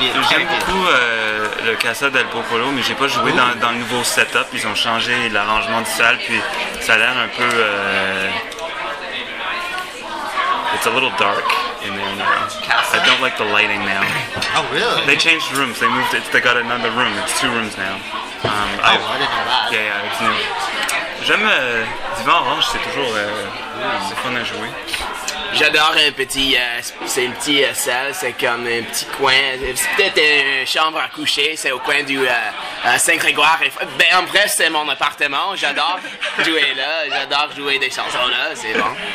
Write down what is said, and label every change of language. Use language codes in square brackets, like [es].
[fr] J'aime beaucoup le Casa del Popolo, mais j'ai pas joué dans le nouveau setup. Ils ont changé l'arrangement de salle, puis ça a l'air un peu... [en] It's a little dark in there now. Casa? I don't like the lighting now. Oh, really? They changed rooms. They moved it. They got another room. It's two rooms now. I didn't know that. Yeah, it's new. [fr] J'aime Divan Orange, c'est toujours c'est fun à jouer. J'adore un petit, c'est une petite salle, c'est comme un petit coin, c'est peut-être une chambre à coucher, c'est au coin du Saint-Grégoire. Ben en bref, c'est mon appartement, j'adore jouer là, j'adore jouer des chansons là, c'est bon.